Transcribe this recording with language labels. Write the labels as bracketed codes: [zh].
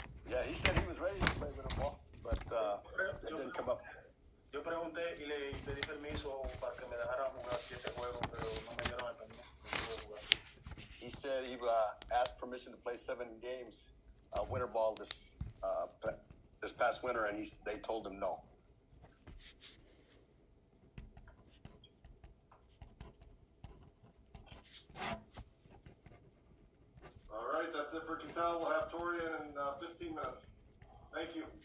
[en] Yeah, he said he was ready to play with them all, but it didn't come up. [es] Yo pregunté y le pedí permiso para que me dejaran jugar 7 juegos, pero no me dieron el permiso. [en] He said he asked permission to play 7 games of winter ball this past winter, and they told him no. All right, that's it for Cattell. We'll have Torian in 15 minutes. Thank you.